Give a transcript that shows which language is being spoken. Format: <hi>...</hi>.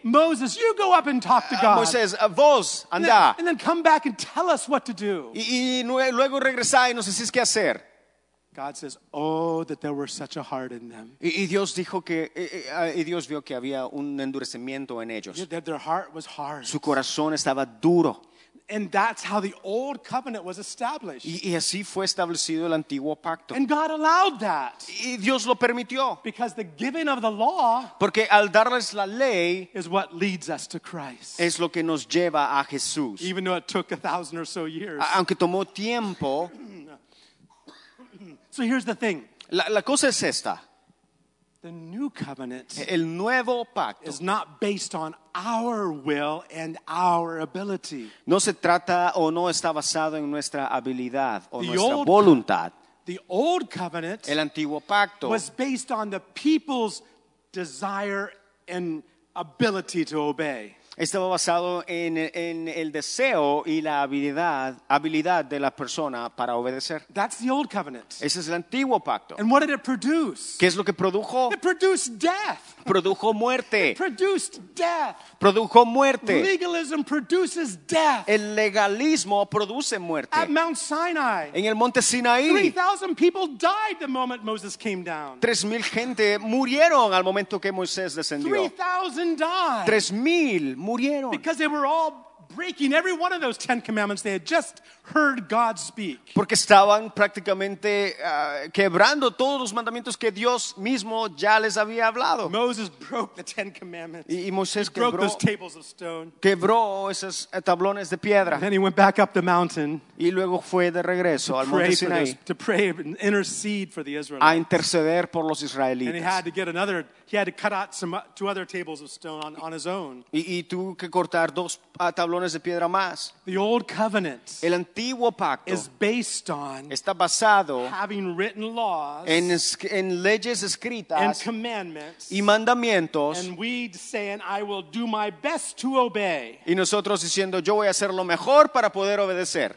<en>Moses, you go up and talk to God.</en> <es>Moisés, vos, anda.</es> <en>And then come back and tell us what to do.</en> <es>Y luego regresa y nos decís qué hacer.</es> <en>God says, oh, that there were such a heart in them.</en> <es>Y Dios dijo que, y Dios vio que había un endurecimiento en ellos.</es> <en>Yeah, that their heart was hard.</en> <es>Su corazón estaba duro.</es> <en>And that's how the old covenant was established.</en> <es>Y así fue establecido el antiguo pacto.</es> <en>And God allowed that.</en> <es>Y Dios lo permitió.</es> <en>Because the giving of the law,</en> <es>porque al darles la ley,</es> <en>is what leads us to Christ.</en> <es>Es lo que nos lleva a Jesús.</es> <en>Even though it took 1,000 or so years.</en> <es>Aunque tomó tiempo.</es> <en>So here's the thing.</en> <es>La cosa es esta.</es> <en>The new covenant,</en> <es>el nuevo pacto,</es> <en>is not based on our will and our ability.</en> <es>No se trata o no está basado en nuestra habilidad o nuestra voluntad.</es> <en>The old covenant,</en> <es>el antiguo pacto,</es> <en>was based on the people's desire and ability to obey.</en> <es>Estaba basado en el deseo y la habilidad de la persona para obedecer.</es> <en>That's the old covenant.</en> <es>Ese es el antiguo pacto.</es> <en>And what did it produce?</en> <es>¿Qué es lo que produjo?</es> <en>It produced death.</en> <es>Produjo muerte.</es> <en>It produced death.</en> <es>Produjo muerte.</es> <en>Legalism produces death.</en> <es>El legalismo produce muerte.</es> <en>At Mount Sinai.</en> <es>En el monte Sinaí.</es> <en>3,000 people died the moment Moses came down.</en> <es>3,000 gente murieron al momento que Moisés descendió.</es> <en>3,000 died.</en> <es>3,000 murieron.</es> <en>Because they were all breaking every one of those Ten Commandments they had just heard God speak.</en> <es>Porque estaban prácticamente quebrando todos los mandamientos que Dios mismo ya les había hablado.</es> <en>Moses broke the Ten Commandments.</en> <es>Y Moisés quebró.</es> <en>Broke those tables of stone.</en> <es>Quebró esos tablones de piedra.</es> <en>Then he went back up the mountain.</en> <es>Y luego fue de regreso al monte Sinaí.</es> <en>To pray and intercede for the Israelites.</en> <es>A interceder por los israelitas.</es> <en>And he had to get another. He had to cut out two other tables of stone on his own.</en> <es>Y tuvo que cortar dos tablones de piedra más.</es> <en>The old covenant.</en> <es>El antiguo pacto</es> <en>is based on</en> <es>está basado</es> <en>having written laws</en> <es>en leyes escritas</es> <en>and commandments</en> <es>y mandamientos</es> <en>and we saying I will do my best to obey.</en> <es>Y nosotros diciendo yo voy a hacer lo mejor para poder obedecer.</es>